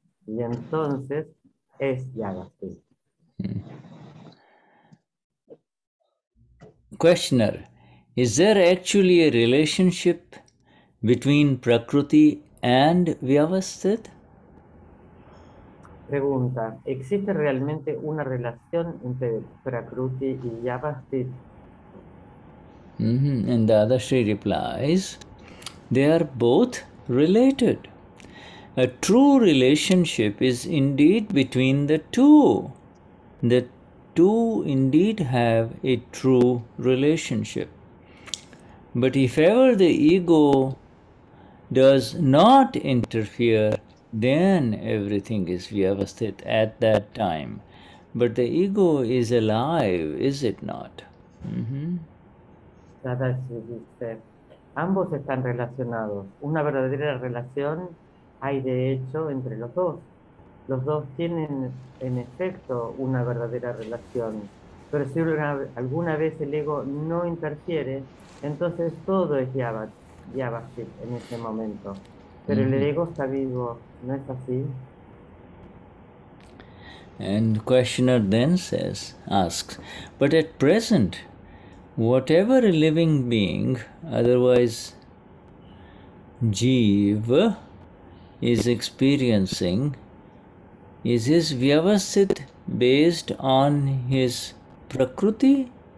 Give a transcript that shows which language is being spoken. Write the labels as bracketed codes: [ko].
[es] Y entonces es Vyavasthit. [en] Questioner, is there actually a relationship between prakruti and Vyavasthit? [es] Pregunta, ¿existe realmente una relación entre prakruti y Vyavasthit? [en] And Dadashri replies, they are both related. A true relationship is indeed between the two. The two indeed have a true relationship. But if ever the ego does not interfere, then everything is Vyavasthit at that time. But the ego is alive, is it not? [es] Dadashri dice, ambos están relacionados. Una verdadera relación hay de hecho entre los dos. Los dos tienen en efecto una verdadera relación. Pero si alguna vez el ego no interfiere, entonces todo es Vyavasthit en ese momento. Pero el ego está vivo, ¿no es así? [en] And the questioner then asks, but at present, whatever a living being, otherwise jiva, is experiencing, is his Vyavasthit based on his prakruti?